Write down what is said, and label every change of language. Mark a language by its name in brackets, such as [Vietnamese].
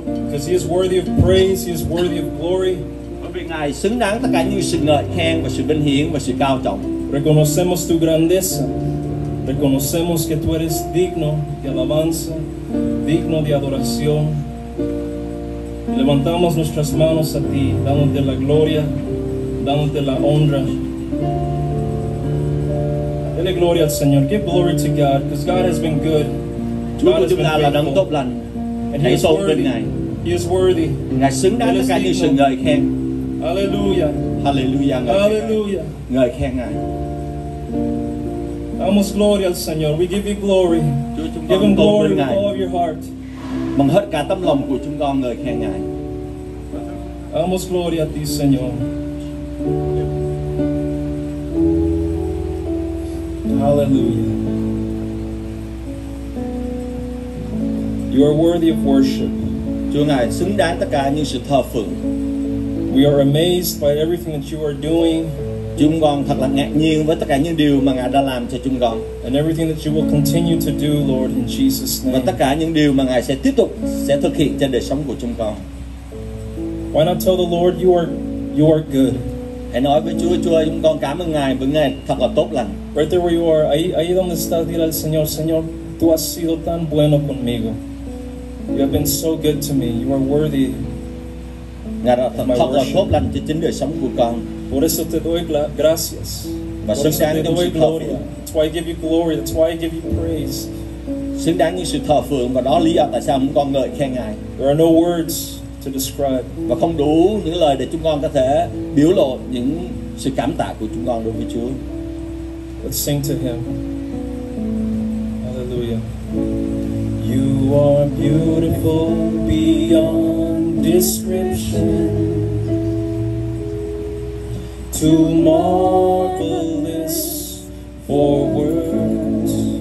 [English] Because he is worthy of praise, he is worthy of glory. [Vietnamese] Bởi vì Ngài xứng đáng tất cả những sự ngợi khen và sự vinh hiển và sự cao trọng. [Spanish] Reconocemos tu grandeza. Reconocemos que tú eres digno de alabanza, digno de adoración. Levantamos nuestras manos a ti, dándote la gloria, dándote la honra. Dele gloria al Señor. [English] Give glory to God, because God has been good. [Vietnamese] Chúa của chúng ta là đấng tốt lành. [English] And he is worthy. He is worthy. [Vietnamese] Ngài xứng đáng tất cả những sự ngợi khen. [English] Hallelujah. Hallelujah. Hallelujah. [Vietnamese] Ngợi khen Ngài. [Spanish] Damos gloria al Señor. [English] We give you glory. Give him glory with all of your heart. [Vietnamese] Bằng hết cả tấm lòng của chúng con ngợi khen Ngài. [Spanish] Damos gloria a ti, Señor. [English] Hallelujah. You are worthy of worship. [Vietnamese] Chúa Ngài xứng đáng tất cả những sự thờ phượng. [English] We are amazed by everything that you are doing. [Vietnamese] Chúng con thật là ngạc nhiên với tất cả những điều mà Ngài đã làm cho chúng con. [English] And everything that you will continue to do, Lord, in Jesus' name. [Vietnamese] Và tất cả những điều mà Ngài sẽ tiếp tục sẽ thực hiện trên đời sống của chúng con. [English] Why not tell the Lord you are good? [Vietnamese] Hãy nói với Chúa, chúng con cảm ơn Ngài bởi Ngài thật là tốt lành. [English] Right there where you are, [Spanish] ahí donde está, dile al Señor, Señor, tú has sido tan bueno conmigo. [English] You have been so good to me. You are worthy. [Vietnamese] Ngài đã thật là tốt lành cho chính đời sống của con. [Spanish] Por eso te doy gracias. [Vietnamese] Và xứng đáng những sự thờ phượng. [English] That's why I give you glory. That's why I give you praise. [Vietnamese] Xứng đáng những sự thờ phượng và đó lý do tại sao chúng con ngợi khen Ngài. [English] There are no words to describe. [Vietnamese] Và không đủ những lời để chúng con có thể biểu lộ những sự cảm tạ của chúng con đối với Chúa. [English] Let's sing to him. Hallelujah. You are beautiful beyond description. Too marvelous for words.